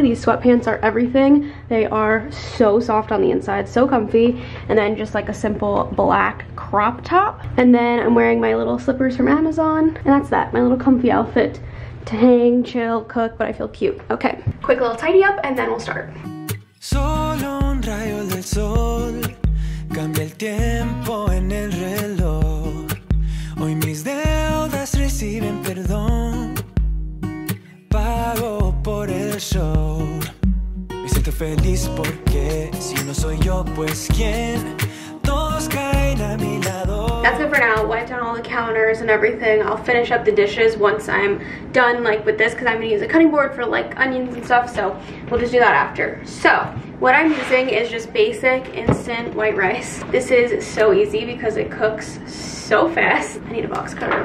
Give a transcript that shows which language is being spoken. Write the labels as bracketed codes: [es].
[en] These sweatpants are everything. They are so soft on the inside, so comfy, and then just like a simple black crop top, and then I'm wearing my little slippers from Amazon, and that's that, my little comfy outfit to hang, chill, cook, but I feel cute. Okay, quick little tidy up and then we'll start. [es] Solo un rayo del sol cambia el tiempo en el reloj. Hoy mis deudas reciben perdón. Pago por el show. Me siento feliz porque si no soy yo, pues quién. Todos caen a mi lado. [en] That's it for now. Wipe down all the counters and everything. I'll finish up the dishes once I'm done like with this, because I'm gonna use a cutting board for like onions and stuff, so we'll just do that after. So what I'm using is just basic instant white rice. This is so easy because it cooks so fast. I need a box cutter.